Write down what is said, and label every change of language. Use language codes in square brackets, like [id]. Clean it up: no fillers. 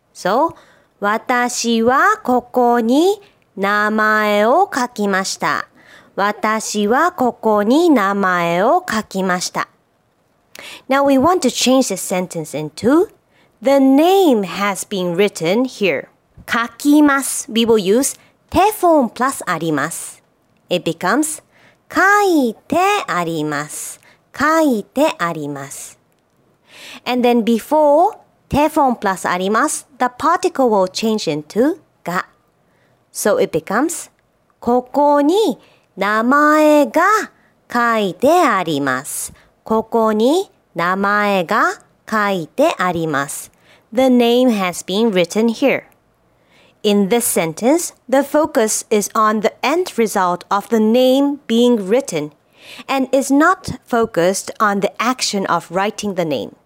[ja] So, 私はここに名前を書きました。私はここに名前を書きました。 [en] Now we want to change this sentence into The name has been written here. [ja] 書きます。 [en] We will use 手 form plus あります。 It becomes 書いてあります。 [ja] 書いてあります。 [en] And then before 手 form plus あります、the particle will change into が。 So it becomes [ja] ここに名前が書いてあります。ここに名前が書いてあります。 [en] The name has been written here. In this sentence, the focus is on the end result of the name being written and is not focused on the action of writing the name.